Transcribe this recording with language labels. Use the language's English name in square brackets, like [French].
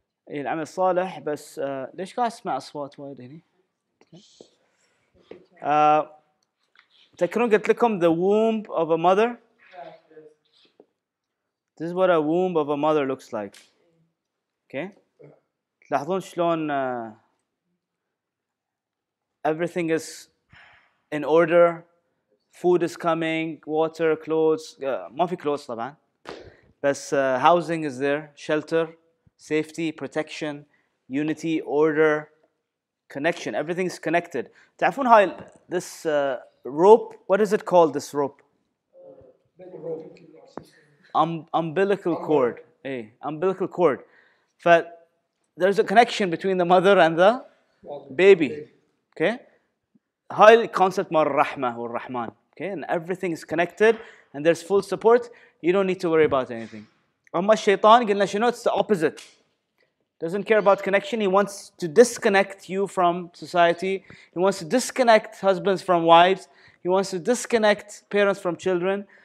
[Arabic] إيه العمل الصالح بس ليش قاعد أسمع أصوات وايد هني؟ تذكرون قلت لكم [English] the womb of a mother. This is what a womb of a mother looks like. Okay. [Arabic] تلاحظون شلون [English] everything is in order. Food is coming, water, clothes. [Arabic] ما في [English] clothes طبعاً. بس housing is there, shelter. Safety, protection, unity, order, connection. Everything is connected. [Arabic] تعرفون هاي [English] this rope? What is it called? This rope? Umbilical cord. Hey, umbilical cord. But there is a connection between the mother and the baby. Okay. [Arabic] هاي concept مال الرحمة والرحمن. [English] Okay. And everything is connected, and there's full support. You don't need to worry about anything. [Arabic] أما الشيطان قلنا شنو? [English] It's the opposite. Doesn't care about connection. He wants to disconnect you from society. He wants to disconnect husbands from wives. He wants to disconnect parents from children.